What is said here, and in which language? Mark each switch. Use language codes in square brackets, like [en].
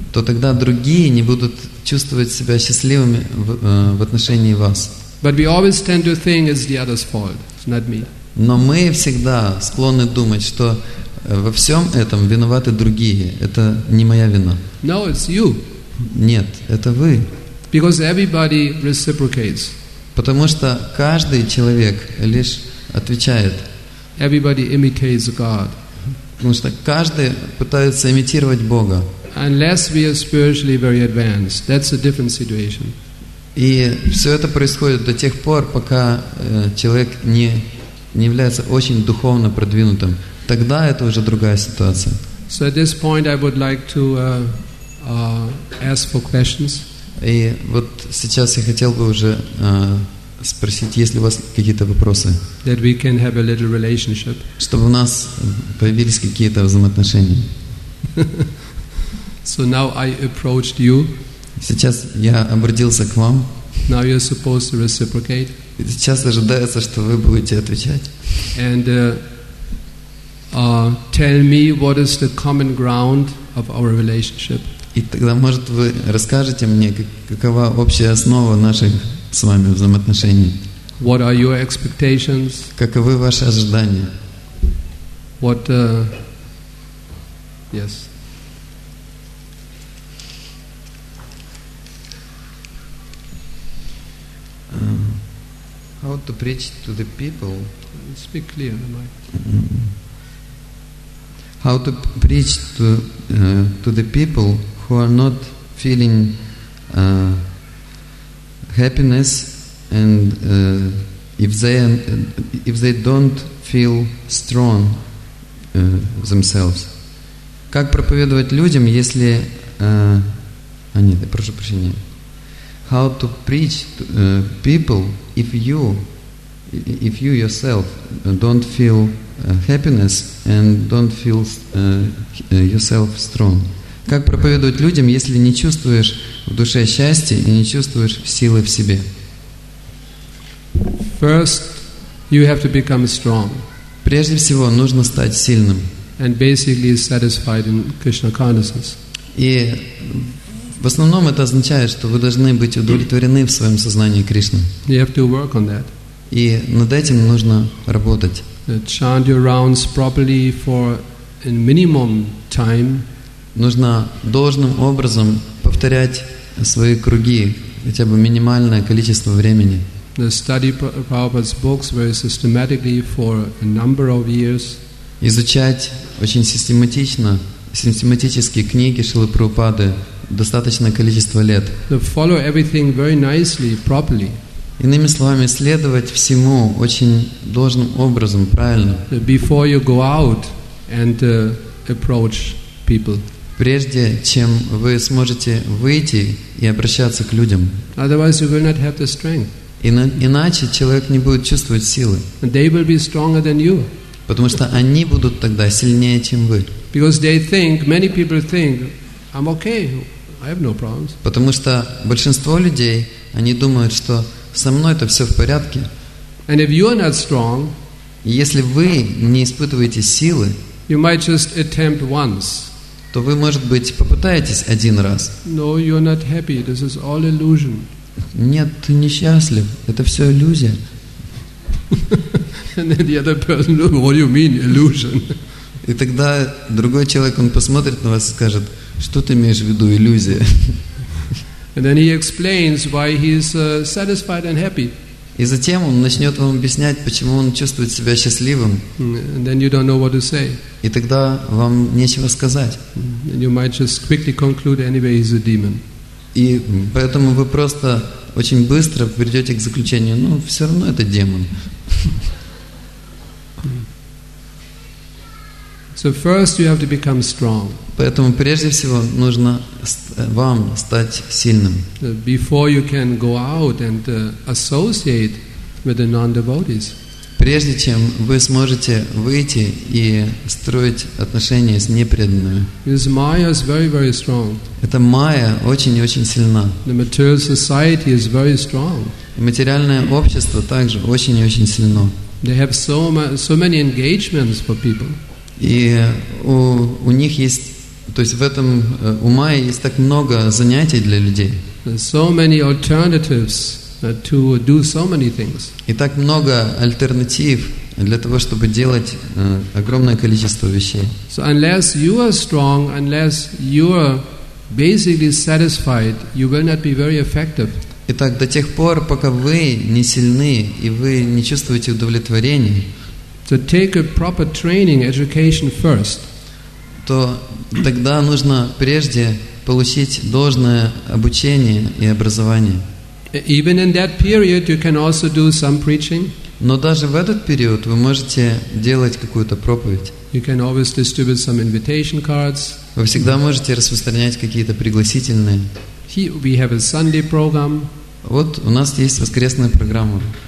[ru] То тогда другие не будут чувствовать себя счастливыми в отношении вас. [en] But we always tend to think it's the other's fault, not me. [ru] Но мы всегда склонны думать, что во всем этом виноваты другие. Это не моя вина. [en] No, it's you. [ru] Нет, это вы. [en] Because everybody reciprocates. [ru] Потому что каждый человек лишь отвечает. [en] Everybody imitates God. [ru] Потому что каждый пытается имитировать Бога. [en] Unless we are spiritually very advanced, that's a different situation. [ru] И все это происходит до тех пор, пока человек не является очень духовно продвинутым. Тогда это уже другая ситуация. [en] So at this point, I would like to ask for questions. [ru] И вот сейчас я хотел бы уже спросить, есть ли у вас какие-то вопросы, [en] that we can have a little relationship. [ru] Чтобы у нас появились какие-то взаимоотношения. [en] So now I approached you. [ru] Сейчас я обратился к вам. [en] Now you're supposed to reciprocate. [ru] И сейчас ожидается, что вы будете отвечать. [en] And tell me what is the common ground of our relationship. [ru] И тогда, может, вы расскажете мне, какова общая основа наших с вами взаимоотношений? [en] What are your expectations? [ru] Каковы ваши ожидания? [en] What, yes. How to preach to the people? Speak clear, am I? How to preach to the people who are not feeling happiness, and if they don't feel strong themselves? [ru] Как проповедовать людям, если нет, я прошу прощения. [en] How to preach to people if you if you yourself don't feel happiness and don't feel yourself strong? [ru] Как проповедовать людям, если не чувствуешь в душе счастья и не чувствуешь силы в себе? [en] First, you have to become strong. [ru] Прежде всего, нужно стать сильным. [en] And basically satisfied in Krishna consciousness. [ru] И в основном это означает, что вы должны быть удовлетворены в своем сознании Кришны. [en] You have to work on that. [ru] И над этим нужно работать. [en] Chant your rounds properly for a minimum time. [ru] Нужно должным образом повторять свои круги хотя бы минимальное количество времени. [en] Study Prabhupada's books very systematically for a number of years. [ru] Изучать очень систематически книги Шрилы Прабхупады достаточное количество лет. [en] Follow everything very nicely, properly. [ru] Иными словами, следовать всему очень должным образом, правильно. [en] Before you go out and approach people. [ru] Прежде чем вы сможете выйти и обращаться к людям. [en] Otherwise you will not have the strength. [ru] Иначе человек не будет чувствовать силы. [en] They will be stronger than you. [ru] Потому что они будут тогда сильнее, чем вы. [en] Because they think, many people think, I'm okay, I have no problems. [ru] Потому что большинство людей, они думают, что со мной это все в порядке. [en] And if you are not strong, [ru] если вы не испытываете силы, [en] you might just attempt once. [ru] То вы, может быть, попытаетесь один раз. [en] No, you're not happy. This is all illusion. [ru] Нет, ты несчастлив. Это все иллюзия. [en] And then the other person will say, what do you mean, illusion? [ru] И тогда другой человек, он посмотрит на вас и скажет, что ты имеешь в виду, иллюзия? [en] And then he explains why he is satisfied and happy. [ru] И затем он начнет вам объяснять, почему он чувствует себя счастливым. [en] And then you don't know what to say. [ru] И тогда вам нечего сказать. [en] And you might just quickly conclude anyway, he's a demon. [ru] И поэтому вы просто очень быстро придете к заключению, ну, все равно это демон. [en] So first you have to become strong. [ru] Поэтому прежде всего нужно вам стать сильным. [en] Before you can go out and associate with the non-devotees. [ru] Прежде чем вы сможете выйти и строить отношения с непреданными. [en] This Maya is very, very strong. [ru] Эта майя очень и очень сильна. [en] The material society is very strong. [ru] И материальное общество также очень и очень сильно. [en] They have so many engagements for people. [ru] И у них есть, то есть в этом у майя есть так много занятий для людей. [en] So many alternatives to do so many things. [ru] И так много альтернатив для того, чтобы делать огромное количество вещей. [en] So unless you are strong, unless you are basically satisfied, you will not be very effective. [ru] Итак, до тех пор, пока вы не сильны и вы не чувствуете удовлетворения. [en] So take a proper training, education first. [ru] То тогда нужно прежде получить должное обучение и образование. [en] Even in that period, you can also do some preaching. [ru] Но даже в этот период вы можете делать какую-то проповедь. [en] You can always distribute some invitation cards. [ru] Вы всегда можете распространять какие-то пригласительные. [en] We have a Sunday program. [ru] Вот у нас есть воскресная программа.